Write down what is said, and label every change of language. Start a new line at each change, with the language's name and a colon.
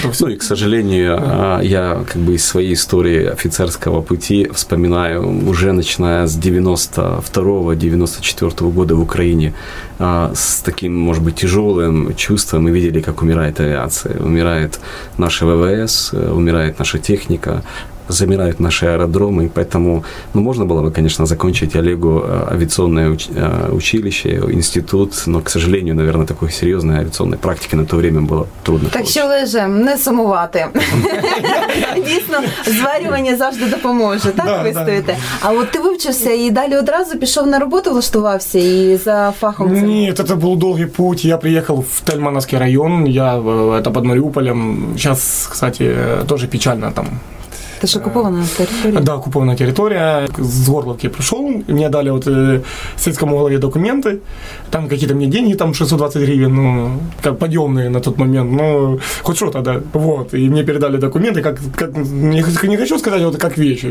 Russian: Ну и, к сожалению, я как бы из своей истории офицерского пути вспоминаю, уже начиная с 92-го, 94-го года в Украине, с таким, может быть, тяжелым чувством мы видели, как умирает авиация. Умирает наша ВВС, умирает наша техника, замирают наши аэродромы, поэтому, ну, можно было бы, конечно, закончить Олегу авиационное училище, институт, но, к сожалению, наверное, такой серьезной авиационной практики на то время было трудно.
Ukrainian: Так что, Олеже, не сумувати. Дійсно, зварювання завжди допоможе, так ви стоїте? А от ти вивчився і далі одразу пішов на роботу, влаштувався і за фахом? Ні, це був довгий путь. Я приїхав в Тельмановський район, я, це під Маріуполем. Зараз, кстати, теж печально там.
Russian: Это же оккупированная территория. Да, оккупированная территория. С Горловки пришел, мне дали вот сельскому главе документы. Там какие-то мне деньги, там 620 гривен, ну, как подъемные на тот момент. Ну, хоть что-то, да. Вот, и мне передали документы, как не хочу сказать, вот как вечер.